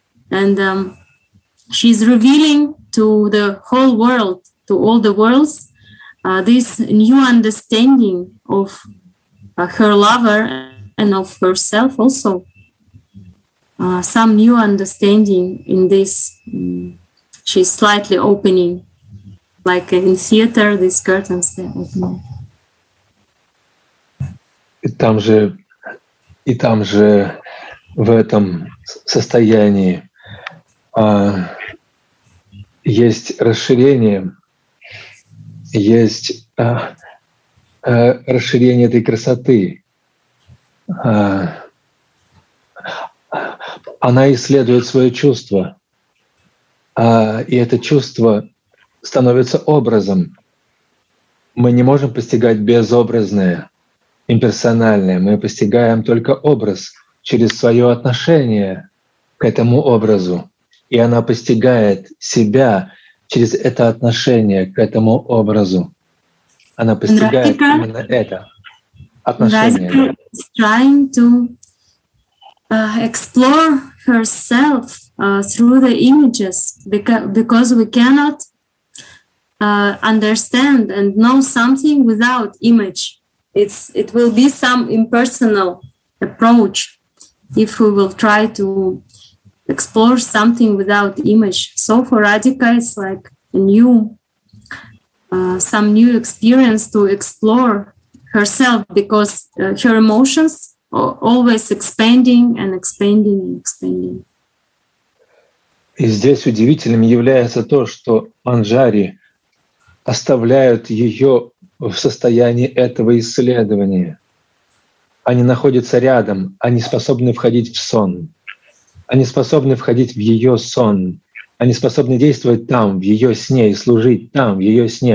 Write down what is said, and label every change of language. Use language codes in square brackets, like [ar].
[en] And she's revealing to the whole world, to all the worlds, this new understanding of her lover and of herself also. Some new understanding in this. She's slightly opening, like in theater, these curtains they're opening. [ru] И там же в этом состоянии есть расширение, есть расширение этой красоты. Она исследует свое чувство, и это чувство становится образом. Мы не можем постигать безобразное. Имперсональное. Мы постигаем только образ через свое отношение к этому образу. И она постигает себя через это отношение к этому образу. Она постигает Radhika, именно это отношение. [en] Radhika is trying to explore herself through the images, because we cannot understand and know something without image. It will be some impersonal approach if we will try to explore something without image. So for Radhika, it's like a new, some new experience to explore herself, because her emotions are always expanding and expanding and expanding. [ru] И здесь удивительным является то, что Манджари оставляют ее в состоянии этого исследования. Они находятся рядом, они способны входить в сон. Они способны входить в ее сон. Они способны действовать там, в ее сне, и служить там, в ее сне.